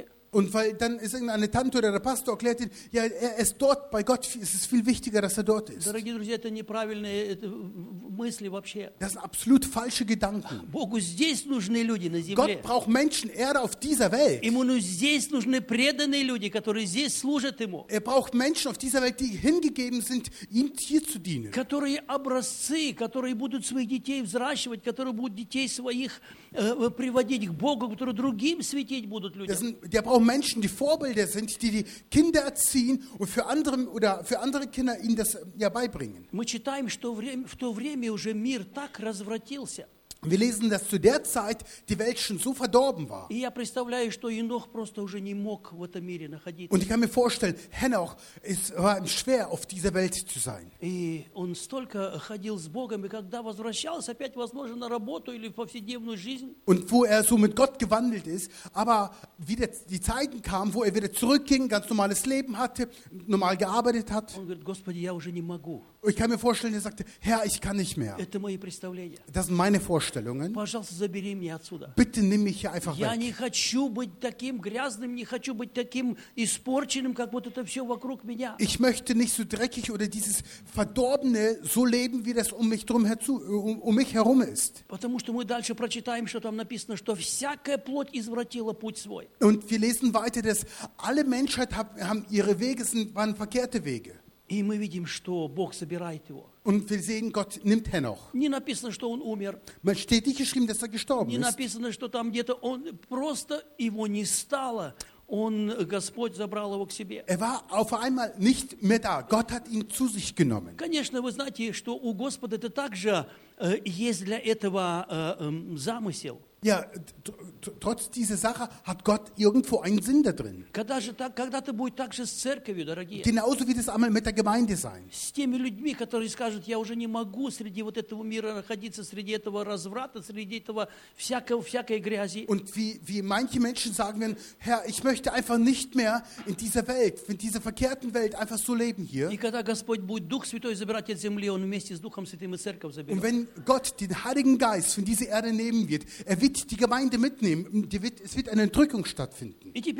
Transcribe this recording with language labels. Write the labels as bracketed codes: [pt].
[de] Und weil dann ist irgendeine Tante oder der Pastor erklärt ihn, ja, er ist dort bei Gott, es ist viel wichtiger, dass er dort ist. [ru] Дорогие друзья, это неправильные мысли вообще. [de] Das sind absolut falsche Gedanken. [ru] Богу здесь нужны люди на земле. [de] Gott braucht Menschen, Erde auf dieser Welt. [ru] Ему здесь нужны преданные люди, которые здесь служат ему. [de] Er braucht Menschen auf dieser Welt, die hingegeben sind, ihm hier zu dienen. [ru] Которые образцы, которые будут своих детей взращивать, которые будут детей своих приводить к Богу, которые другим светить будут людям. [de] Der braucht Menschen, die Vorbilder sind, die die Kinder erziehen und für andere oder für andere Kinder ihnen das ja beibringen. [ru] Мы читаем, что в то время уже мир так развратился. [de] Wir lesen, dass zu der Zeit die Welt schon so verdorben war. [ru] И я представляю, что Енох просто уже не мог в этом мире находиться. [de] Und ich kann mir vorstellen, Henoch, es war ihm schwer, auf dieser Welt zu sein. [ru] И он столько ходил с Богом, и когда возвращался опять, возможно, на работу или в повседневную жизнь. [de] Und wo er so mit Gott gewandelt ist, aber wieder die Zeiten kamen, wo er wieder zurückging, ganz normales Leben hatte, normal gearbeitet hat. [ru] Он говорит, Господи, я уже не могу. [de] Ich kann mir vorstellen, er sagte, Herr, ich kann nicht mehr. Das sind meine Vorstellungen. Bitte nimm mich hier einfach weg. [ru] Я не хочу быть таким грязным, не хочу быть таким испорченным, как будто это все вокруг меня. [de] Ich möchte nicht so dreckig oder dieses Verdorbene so leben, wie das um mich herum ist. [ru] Потому что мы дальше прочитаем, что там написано, что всякая плоть извратила путь свой. [de] Und wir lesen weiter, dass alle Menschheit haben ihre Wege, waren verkehrte Wege. [ru] И мы видим, что Бог собирает его. [de] Und wir sehen, Gott nimmt Henoch. [ru] Не написано, что он умер. [de] Man steht nicht geschrieben, dass er gestorben [ru] не [de] ist. [ru] Не написано, что там где-то он просто его не стало. Он Господь забрал его к себе. [de] Er war auf einmal nicht mehr da. Gott hat ihn zu sich genommen. [ru] Конечно, вы знаете, что у Господа это также есть для этого замысел. [de] Ja, trotz dieser Sache hat Gott irgendwo einen Sinn da drin. [ru] Когда-то будет так же с церковью, дорогие. [de] Genauso wird es einmal mit der Gemeinde sein. [ru] С теми людьми, которые скажут, я уже не могу среди вот этого мира находиться, среди этого разврата, среди этого всякой грязи. [de] Und wie manche Menschen sagen, Herr, ich möchte einfach nicht mehr in dieser Welt, in dieser verkehrten Welt einfach so leben hier. [ru] И когда Господь будет Дух Святой забирать от земли, он вместе с Духом Святым и церковь заберет. [de] Und wenn Gott den Heiligen Geist von dieser Erde nehmen wird, er wird die Gemeinde mitnehmen. Es wird eine Entrückung stattfinden.